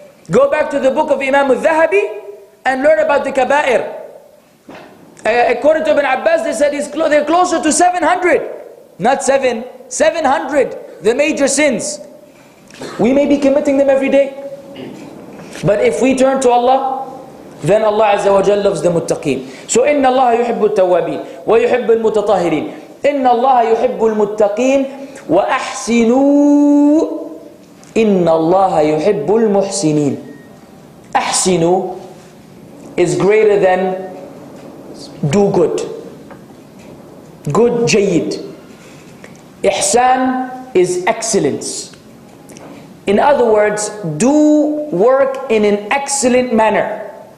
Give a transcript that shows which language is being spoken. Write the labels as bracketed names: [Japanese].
[English] Go back to the book of Imam al-Dhahabi and learn about the kaba'ir. According to Ibn Abbas, they said they're closer to 700. Not seven, 700, the major sins. We may be committing them every day. But if we turn to Allah, then Allah Azza wa Jalla loves the muttaqeen. [Arabic] So, إن الله يحب التوابين ويحب المتطهرين. إن الله يحب المتقين وأحسنوا إن الله يحب المحسنين. [English] أحسنوا is greater than do good. Good, [Arabic] جيد. [English] إحسان is excellence. In other words, do work in an excellent manner.